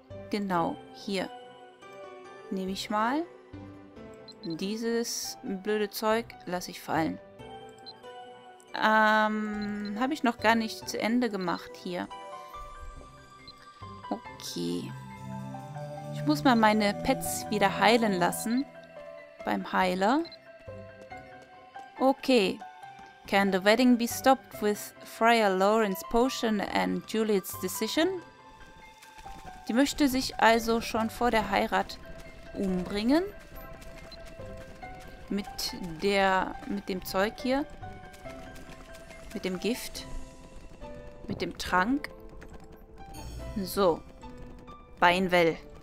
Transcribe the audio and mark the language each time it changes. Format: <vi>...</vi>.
<de>Genau, hier. Nehme ich mal. Dieses blöde Zeug lasse ich fallen. Habe ich noch gar nicht zu Ende gemacht hier. Okay. Ich muss mal meine Pets wieder heilen lassen. Beim Heiler. Okay.</de> <en>Can the wedding be stopped with Friar Lawrence's potion and Juliet's decision?</en> <de>Die möchte sich also schon vor der Heirat umbringen. Mit dem Zeug hier. Mit dem Gift. Mit dem Trank. So. Beinwell.</de>